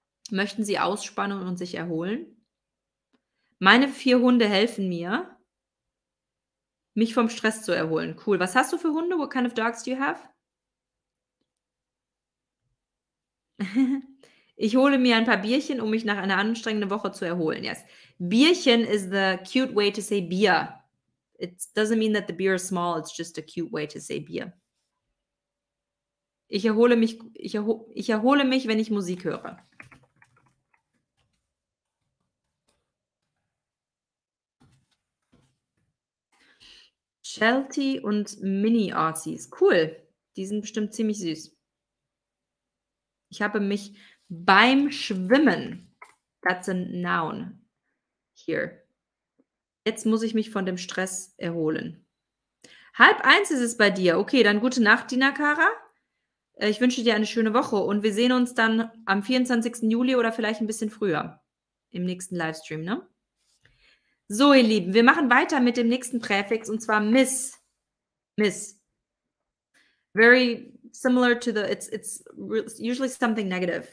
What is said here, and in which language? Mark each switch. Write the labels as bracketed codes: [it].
[de] Möchten Sie ausspannen und sich erholen? Meine 4 Hunde helfen mir, mich vom Stress zu erholen. Cool. Was hast du für Hunde? [en] What kind of dogs do you have? [de] Ich hole mir ein paar Bierchen, um mich nach einer anstrengenden Woche zu erholen. [en] Yes. Bierchen is the cute way to say beer. It doesn't mean that the beer is small. It's just a cute way to say beer. [de] Ich erhole mich, wenn ich Musik höre. Chelty und Mini Artsies. Cool. Die sind bestimmt ziemlich süß. Ich habe mich beim Schwimmen. [en] That's a noun. Here. [de] Jetzt muss ich mich von dem Stress erholen. 12:30 ist es bei dir. Okay, dann gute Nacht, Dina Cara. Ich wünsche dir eine schöne Woche und wir sehen uns dann am 24. Juli oder vielleicht ein bisschen früher im nächsten Livestream, ne? So, ihr Lieben, wir machen weiter mit dem nächsten Präfix und zwar Miss. Miss. [en] Very similar to the, it's usually something negative.